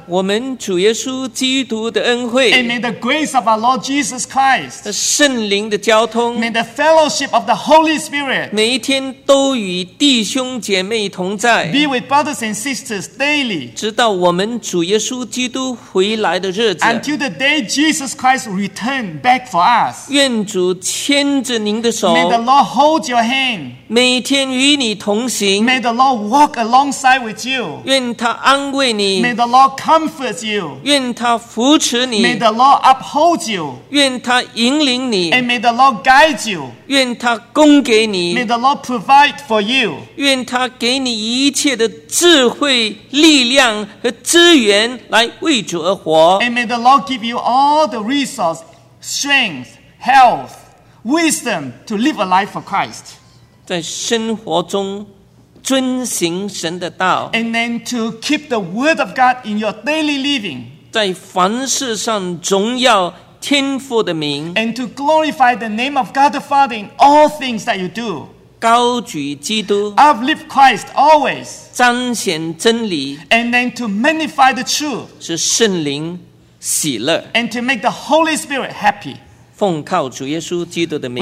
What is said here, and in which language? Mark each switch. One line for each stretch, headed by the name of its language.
Chinese: 我们主耶稣基督的恩惠
English: And may the grace of our Lord Jesus Christ
Chinese: 圣灵的交通
English: May the fellowship of the Holy Spirit
Chinese: 每一天都与弟兄姐妹同在
English: Be with brothers and sisters daily
Chinese: 直到我们主耶稣基督回来的日子
English: Until the day Jesus Christ returned back for us
Chinese: 愿主牵着您的手
English: May the Lord hold your hand
Chinese: 每天与你同行
English: May the Lord walk alongside with you
Chinese: 愿他安慰你
English: May the Lord comfort you
Chinese: 愿他扶持你
English: May the Lord uphold you
Chinese: 愿他引领你
English: And may the Lord guide you
Chinese: 愿他供给你
English: May the Lord provide for you
Chinese: 愿他给你一切的智慧力量和资源来为主而活
English: And may the Lord give you all the resources strength health wisdom to live a life for Christ
Chinese: 在生活中遵行神的道。
English: And then to keep the word of God in your daily living.
Chinese: 在凡事上总要天父的名。
English: And to glorify the name of God the Father in all things that you do.
Chinese: 高举基督。
English: Uplift Christ always.
Chinese: 彰显真理。
English: And then to magnify the truth.
Chinese: 是圣灵喜乐。
English: And to make the Holy Spirit happy.
Chinese: 奉靠主耶稣基督的名。